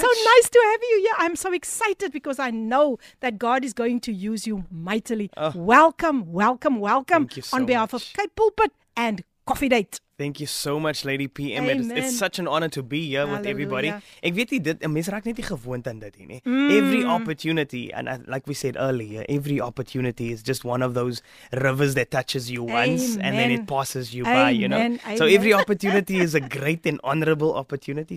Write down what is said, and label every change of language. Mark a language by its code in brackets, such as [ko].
[en] So nice to have you here. I'm so excited because I know that God is going to use you mightily. Welcome. Thank you so on behalf much. Of Kate Pulpit and Coffee Date. Thank you so much, Lady PM. It's such an honor to be here with everybody. [af] Ek weet nie, dit, mens raak net nie gewoond aan dit nie. [en] Every opportunity, and like we said earlier, every opportunity is just one of those rivers that touches you once, and then it passes you by, you know. So every opportunity is a great and honorable opportunity.